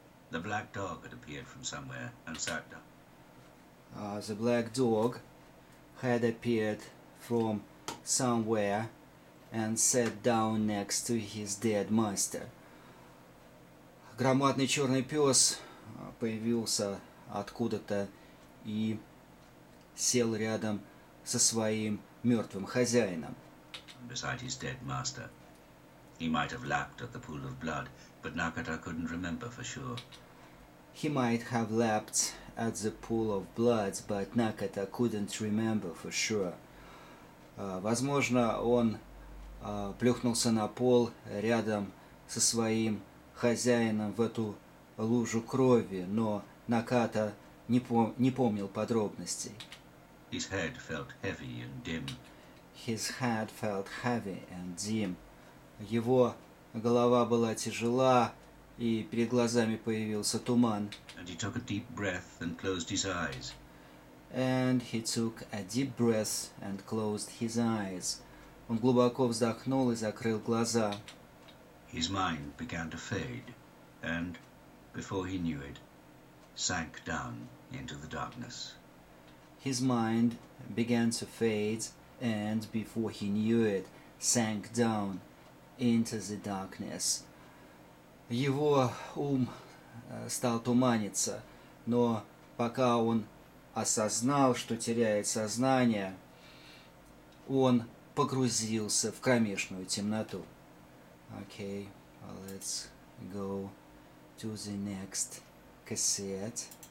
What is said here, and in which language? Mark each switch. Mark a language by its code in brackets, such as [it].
[en] The black dog had appeared from somewhere and sat down. The black dog had appeared from somewhere and sat down next to his dead master. [ru] Громадный черный пес появился откуда-то и сел рядом со своим мертвым хозяином. [en] Beside his dead master, he might have lapped at the pool of blood, but Nakata couldn't remember for sure. He might have lapped at the pool of blood, but Nakata couldn't remember for sure. [ru] Возможно, он плюхнулся на пол рядом со своим хозяином в эту лужу крови, но Наката не помнил подробностей. [en] His head felt heavy and dim. His head felt heavy and dim. [ru] Его голова была тяжела, и перед глазами появился туман. [en] And he took a deep breath and closed his eyes. And he took a deep breath and closed his eyes. [ru] Он глубоко вздохнул и закрыл глаза. [en] His mind began to fade, and before he knew it, sank down into the darkness. His mind began to fade, and before he knew it, sank down into the darkness. [ru] Его ум стал туманиться, но пока он осознал, что теряет сознание, он погрузился в кромешную темноту. [en] Okay, let's go to the next cassette.